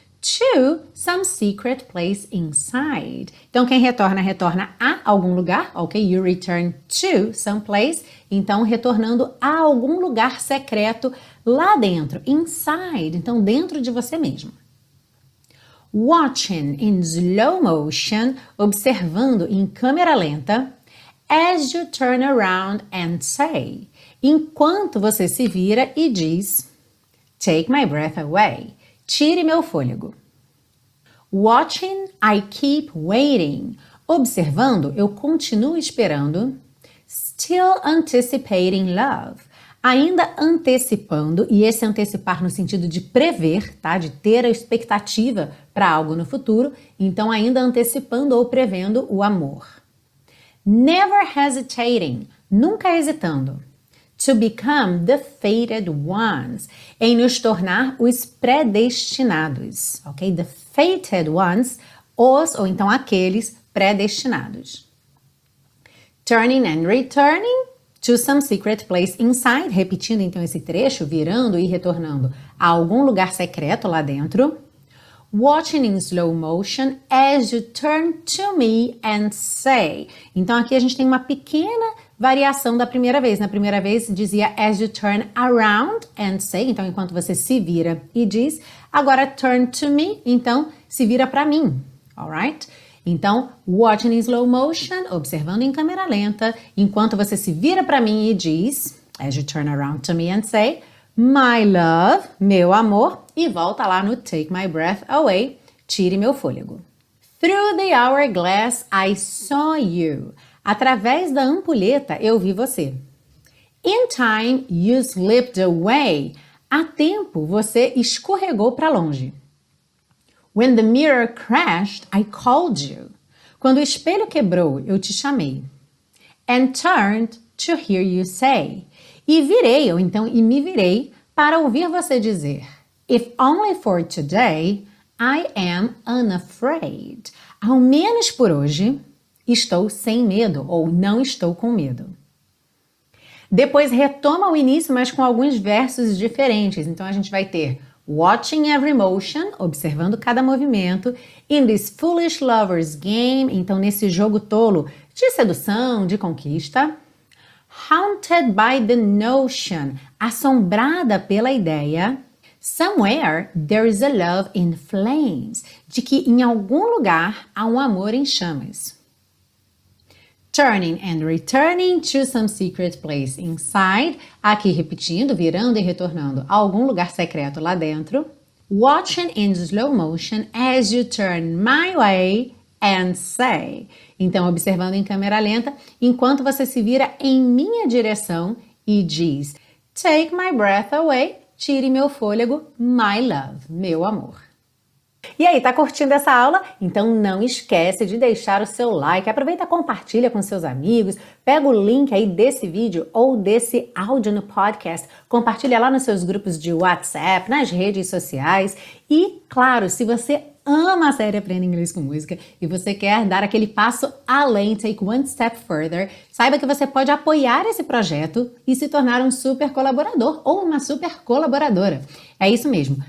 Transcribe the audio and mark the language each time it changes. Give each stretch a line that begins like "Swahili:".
English: To some secret place inside.
Portuguese: Então, quem retorna, retorna a algum lugar, ok?
English: You return to some place.
Portuguese: Então, retornando a algum lugar secreto lá dentro, inside. Então, dentro de você mesmo.
English: Watching in slow motion,
Portuguese: observando em câmera lenta,
English: as you turn around and say.
Portuguese: Enquanto você se vira e diz,
English: take my breath away.
Portuguese: Tire meu fôlego.
English: Watching, I keep waiting.
Portuguese: Observando, eu continuo esperando.
English: Still anticipating love.
Portuguese: Ainda antecipando, e esse antecipar no sentido de prever, tá? De ter a expectativa para algo no futuro. Então, ainda antecipando ou prevendo o amor.
English: Never hesitating.
Portuguese: Nunca hesitando.
English: To become the fated ones.
Portuguese: Em nos tornar os predestinados, ok?
English: The fated ones,
Portuguese: os, ou então aqueles, predestinados.
English: Turning and returning to some secret place inside,
Portuguese: repetindo então esse trecho, virando e retornando a algum lugar secreto lá dentro.
English: Watching in slow motion as you turn to me and say.
Portuguese: Então aqui a gente tem uma pequena variação da primeira vez. Na primeira vez dizia
English: as you turn around and say,
Portuguese: então enquanto você se vira e diz. Agora
English: turn to me,
Portuguese: então se vira para mim,
English: alright?
Portuguese: Então,
English: watching in slow motion,
Portuguese: observando em câmera lenta, enquanto você se vira para mim e diz,
English: as you turn around to me and say, my love,
Portuguese: meu amor, e volta lá no
English: take my breath away,
Portuguese: tire meu fôlego.
English: Through the hourglass, I saw you.
Portuguese: Através da ampulheta, eu vi você.
English: In time, you slipped away.
Portuguese: Há tempo, você escorregou para longe. When the mirror crashed, I called you. Quando o espelho quebrou, eu te chamei.
English: And turned to hear you say.
Portuguese: E virei, ou então, e me virei para ouvir você dizer.
English: If only for today, I am unafraid.
Portuguese: Ao menos por hoje, estou sem medo ou não estou com medo. Depois retoma o início, mas com alguns versos diferentes. Então a gente vai ter
English: watching every motion,
Portuguese: observando cada movimento,
English: in this foolish lover's game,
Portuguese: então nesse jogo tolo de sedução, de conquista,
English: haunted by the notion,
Portuguese: assombrada pela ideia,
English: somewhere there is a love in flames,
Portuguese: de que em algum lugar há um amor em chamas.
English: Turning and returning to some secret place inside.
Portuguese: Aqui repetindo, virando e retornando a algum lugar secreto lá dentro.
English: Watching in slow motion as you turn my way and say.
Portuguese: Então, observando em câmera lenta, enquanto você se vira em minha direção e diz,
English: take my breath away,
Portuguese: tire meu fôlego,
English: my love,
Portuguese: meu amor. E aí, tá curtindo essa aula? Então não esquece de deixar o seu like, aproveita, compartilha com seus amigos, pega o link aí desse vídeo ou desse áudio no podcast, compartilha lá nos seus grupos de WhatsApp, nas redes sociais e, claro, se você ama a série Aprenda Inglês com Música e você quer dar aquele passo além,
English: take one step further,
Portuguese: saiba que você pode apoiar esse projeto e se tornar um super colaborador ou uma super colaboradora. É isso mesmo.